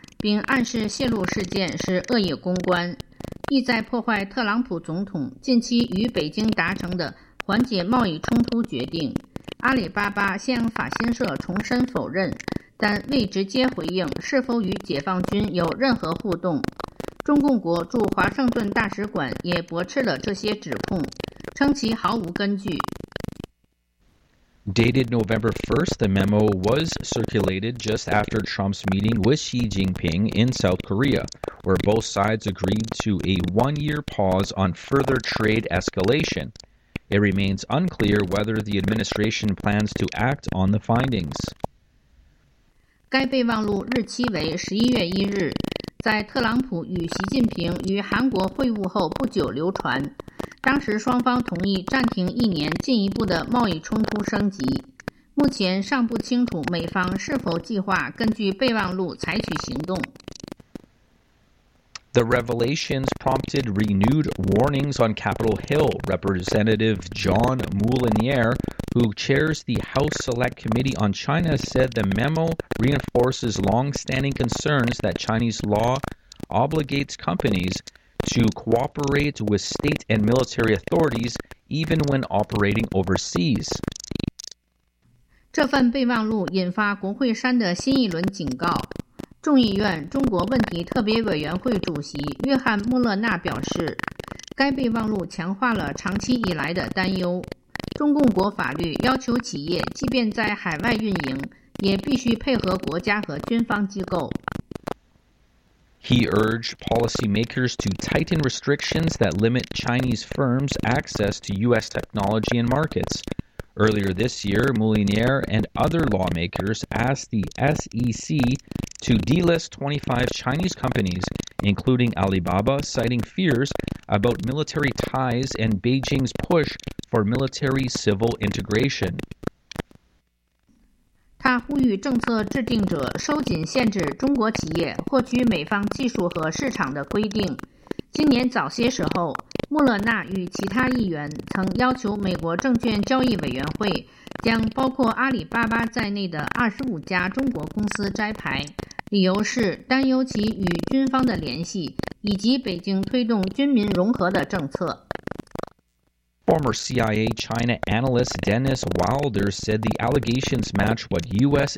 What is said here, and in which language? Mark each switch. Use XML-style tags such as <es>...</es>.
<zh>并暗示泄露事件是恶意公关，意在破坏特朗普总统近期与北京达成的缓解贸易冲突决定。阿里巴巴向法新社重申否认，但未直接回应是否与解放军有任何互动。中共国驻华盛顿大使馆也驳斥了这些指控，称其毫无根据。</zh> <en>Dated November 1st, the memo was circulated just after Trump's meeting with Xi Jinping in South Korea, where both sides agreed to a one-year pause on further trade escalation. It remains unclear whether the administration plans to act on the findings.</en> <zh>该备忘录日期为11月1日，在特朗普与习近平与韩国会晤后不久流传。当时双方同意暂停一年进一步的贸易冲突升级。目前尚不清楚美方是否计划根据备忘录采取行动。</zh> <en>The revelations prompted renewed warnings on Capitol Hill. Representative John Moulinier, who chairs the House Select Committee on China, said the memo reinforces long-standing concerns that Chinese law obligates companies to cooperate with state and military authorities even when operating overseas.</en> <zh>这份备忘录引发国会山的新一轮警告。众议院中国问题特别委员会主席约翰·穆勒纳表示，该备忘录强化了长期以来的担忧。中共国法律要求企业即便在海外运营，也必须配合国家和军方机构。</zh> <en>He urged policymakers to tighten restrictions that limit Chinese firms' access to U.S. technology and markets. Earlier this year, Moulinier and other lawmakers asked the SEC to delist 25 Chinese companies, including Alibaba, citing fears about military ties and Beijing's push for military-civil integration.</en> <zh>他呼吁政策制定者收紧限制中国企业获取美方技术和市场的规定。今年早些时候，穆勒纳与其他议员曾要求美国证券交易委员会将包括阿里巴巴在内的25家中国公司摘牌，理由是担忧其与军方的联系以及北京推动军民融合的政策。</zh> <en>Former CIA China analyst Dennis Wilder said the allegations match what U.S.</en>